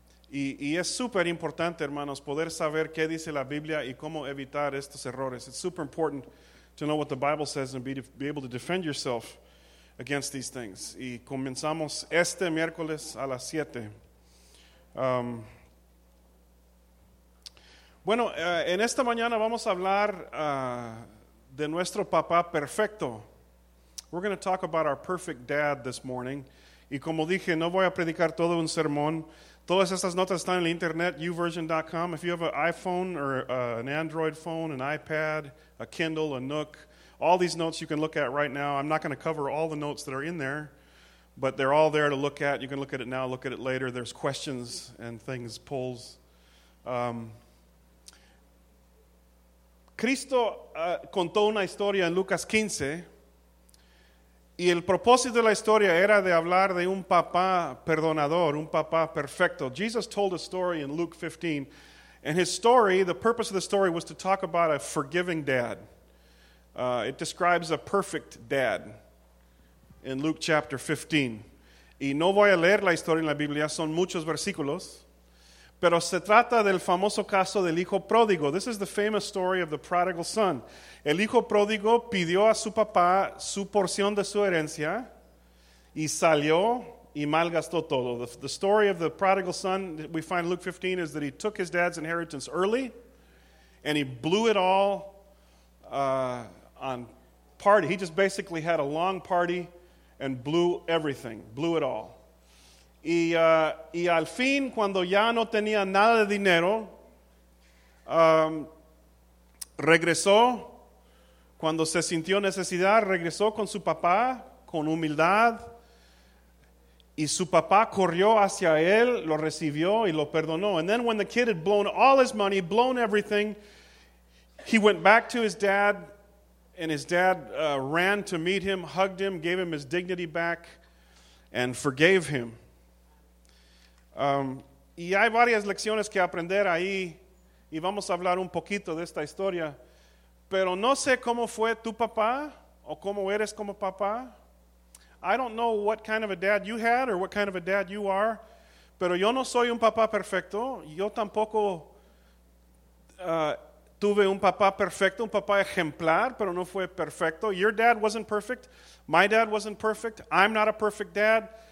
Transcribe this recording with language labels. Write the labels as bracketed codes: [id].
[es] Y es súper importante, hermanos, poder saber qué dice la Biblia y cómo evitar estos errores. [en] It's super important to know what the Bible says and be able to defend yourself against these things. [es] Y comenzamos este miércoles a las 7. En esta mañana vamos a hablar de nuestro papá perfecto. [en] We're going to talk about our perfect dad this morning. [es] Y como dije, no voy a predicar todo un sermón. Todas estas notas están en el internet, uversion.com. [en] If you have an iPhone or an Android phone, an iPad, a Kindle, a Nook, all these notes you can look at right now. I'm not going to cover all the notes that are in there, but they're all there to look at. You can look at it now, look at it later. There's questions and things, polls. [es] Cristo contó una historia en Lucas 15, y el propósito de la historia era de hablar de un papá perdonador, un papá perfecto. [en] Jesus told a story in Luke 15, and his story, the purpose of the story was to talk about a forgiving dad. It describes a perfect dad in Luke chapter 15. [es] Y no voy a leer la historia en la Biblia, son muchos versículos. Pero se trata del famoso caso del hijo pródigo. [en] This is the famous story of the prodigal son. [es] El hijo pródigo pidió a su papá su porción de su herencia y salió y malgastó todo. [en] The story of the prodigal son, we find in Luke 15, is that he took his dad's inheritance early and he blew it all on party. He just basically had a long party and blew everything, blew it all. [es] Y al fin, cuando ya no tenía nada de dinero, regresó, cuando se sintió necesidad, regresó con su papá, con humildad, y su papá corrió hacia él, lo recibió y lo perdonó. [en] And then when the kid had blown all his money, blown everything, he went back to his dad, and his dad ran to meet him, hugged him, gave him his dignity back, and forgave him. [es] Y hay varias lecciones que aprender ahí, y vamos a hablar un poquito de esta historia. Pero no sé cómo fue tu papá, o cómo eres como papá. [en] I don't know what kind of a dad you had, or what kind of a dad you are, [es] pero yo no soy un papá perfecto. Yo tampoco tuve un papá perfecto, un papá ejemplar, pero no fue perfecto. [en] Your dad wasn't perfect, my dad wasn't perfect, I'm not a perfect dad.